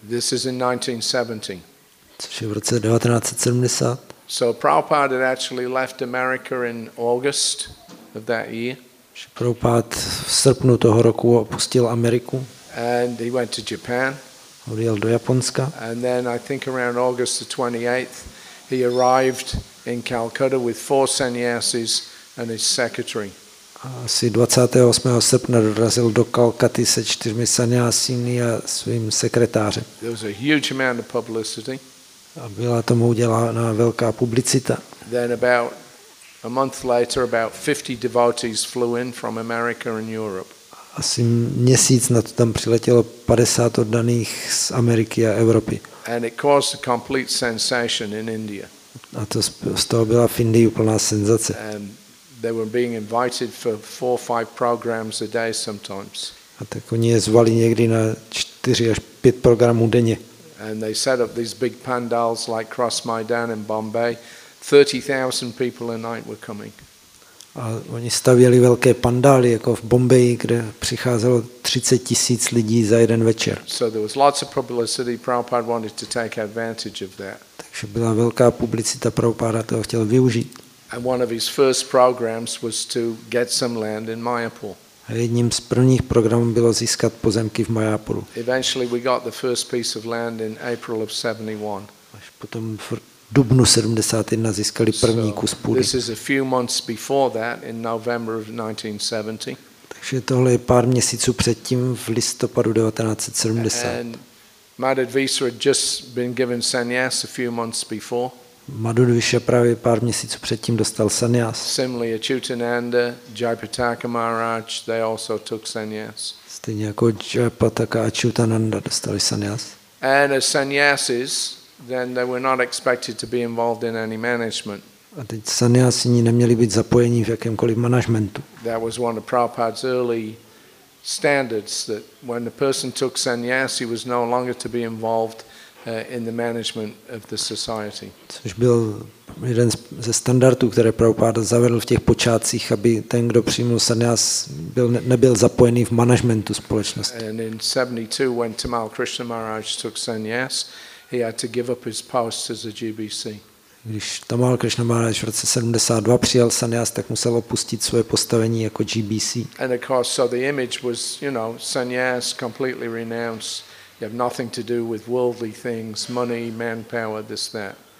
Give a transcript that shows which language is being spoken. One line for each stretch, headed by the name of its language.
English: This is in 1970.
Czech: Což je v roce 1970.
English: So Prabhupada had actually left America in August of that year.
Czech: Prabhupád v srpnu toho roku opustil Ameriku.
English: And he went to Japan.
Czech: Odjel do Japonska.
English: And then I think around August the 28th he arrived in Calcutta with four sannyasis and his secretary.
Czech: Asi 28. srpna dorazil do Kalkaty se čtyřmi sannyasiny a svým sekretářem.
English: There was a huge amount of publicity.
Czech: A byla tomu udělána velká publicita.
English: Then about a month later about 50 devotees flew in from America and Europe.
Czech: Asi měsíc na to tam přiletělo 50 oddaných z Ameriky a Evropy.
English: And it caused a complete sensation in India.
Czech: A to z toho byla v Indii úplná senzace.
English: And they were being invited for 4 or 5 programs a day sometimes.
Czech: A tak oni je zvali někdy na 4 až 5 programů denně.
English: And they set up these big pandals like Cross Maidan in Bombay. 30,000 people a night were coming.
Czech: A oni stavěli velké pandály jako v Bombaji, kde přicházelo 30,000 lidí za jeden večer.
English: So there was lots of publicity. Prabhupada wanted to take advantage of that.
Czech: Takže byla velká publicita, Prabhupada toho chtěl využít.
English: And one of his first programs was to get some land in Mayapur.
Czech: A jedním z prvních programů bylo získat pozemky v Mayapuru.
English: Eventually we got the first piece of land in April of 71.
Czech: Až potom v dubnu 71 získali první kus půdy.
English: This is a few months before that in November of 1970.
Czech: Takže tohle je pár měsíců předtím v listopadu 1970.
English: Madhvadvisa had just been given sannyas a few months before.
Czech: Madhvadvisa právě pár měsíců předtím dostal sannyas.
English: Similarly, Achyutananda, Jayapataka Maharaj, they also took sannyas.
Czech: Stejně jako Jayapataka a Achyutananda dostali sannyas.
English: And as sannyasis, then they were not expected to be involved in any management.
Czech: A teď sannyasini neměli být zapojeni v jakémkoliv managementu.
English: That was one of Prabhupada's early standards, that when the person took sannyas, he was no longer to be involved in the management of the society.
Czech: Což byl jeden ze standardů, které Prabhupada zavedl v těch počátcích, aby ten, kdo přijmul sannyas, nebyl zapojený v managementu společnosti.
English: And in 72, when Tamal Krishna Maharaj took sannyas, he had to give up his post as a GBC.
Czech: Když Tamal Krishna Maharaj v roce 72 přijal sannyas, tak musel opustit svoje postavení jako GBC.
English: And of course, so the image was, you know, sannyas completely renounced. You have nothing to do with worldly things, money, manpower, this, that.